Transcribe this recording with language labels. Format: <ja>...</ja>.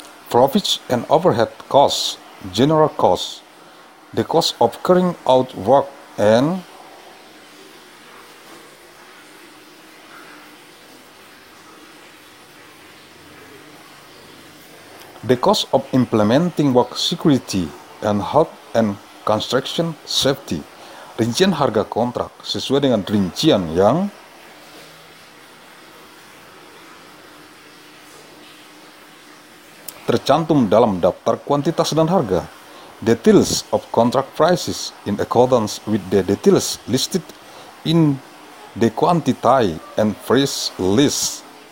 <en>Profits and overhead costs, general costs, the cost of carrying out work and the cost of implementing work security and health and construction safety.</en> <id>Rincian harga kontrak sesuai dengan rincian yang tercantum dalam daftar kuantitas dan harga.</id> <en>Details of contract prices in accordance with the details listed in the quantity and price list.</en>